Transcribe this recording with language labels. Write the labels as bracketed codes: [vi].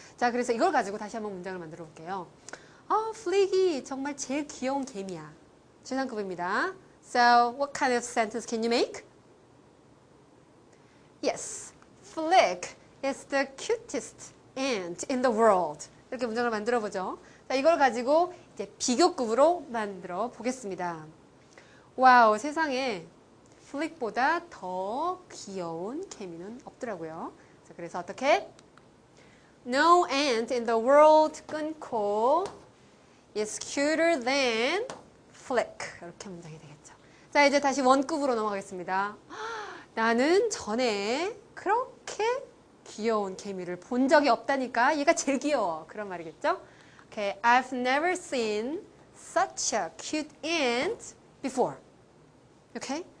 [ko] 자, 그래서 이걸 가지고 다시 한번 문장을 만들어 볼게요. 아, Flick이 정말 제일 귀여운 개미야. 최상급입니다. [en] So, what kind of sentence can you make? Yes, Flick is the cutest ant in the world. [ko] 이렇게 문장을 만들어 보죠. 자, 이걸 가지고 이제 비교급으로 만들어 보겠습니다. 와우, 세상에 Flick보다 더 귀여운 개미는 없더라고요. 자, 그래서 어떻게? [en] No ant in the world [ko] 끊고 [en] is cuter than Flick. [ko] 이렇게 문장이 되겠죠. 자, 이제 다시 원급으로 넘어가겠습니다. 나는 전에 그렇게 귀여운 개미를 본 적이 없다니까 얘가 제일 귀여워. 그런 말이겠죠? [en] Okay, I've never seen such a cute ant before. Okay?